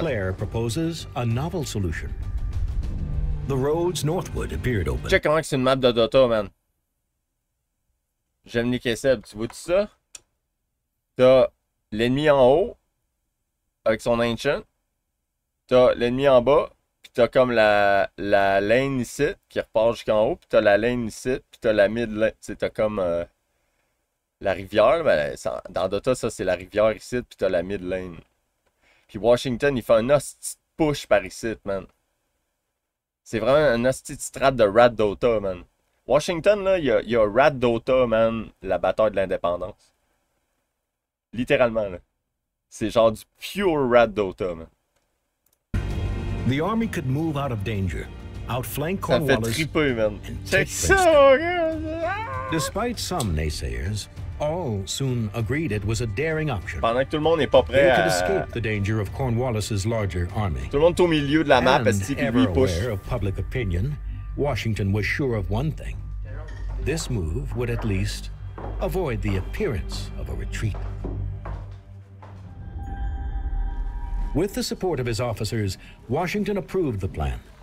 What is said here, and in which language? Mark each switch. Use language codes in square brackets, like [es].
[en] Clair proposes a novel solution. The roads northward appeared open. [fr] Check comment c'est une map de Dota, man. J'aime les caissables, tu vois tout ça? T'as l'ennemi en haut, avec son ancient. T'as l'ennemi en bas, pis t'as comme la lane ici, qui repart jusqu'en haut, pis t'as la lane ici, pis t'as la mid lane. T'sais, t'as comme la rivière, ben, ça, dans Dota, ça c'est la rivière ici, pis t'as la mid lane. Pis Washington, il fait un hostie push par ici, man. C'est vraiment un hostie de strat de rat Dota, man. Washington, là, il y a Rat Dota, man, la bataille de l'indépendance. Littéralement, là. C'est genre du pure Rat Dota, man. [en] The army could move out of danger, outflank Cornwallis. [fr] Ça fait triper, man. Check [en] ça, Despite some naysayers, all soon agreed it was a daring option. [fr] Pendant que tout le monde n'est pas prêt à. [en] Escape the danger of Cornwallis's larger army. [fr] Tout le monde est au milieu de la map, est-ce qu'il lui push? [en] Aware of public opinion, Washington was sure of one thing. This move would at least avoid the appearance of a retreat. With the support of his officers, Washington approved the plan.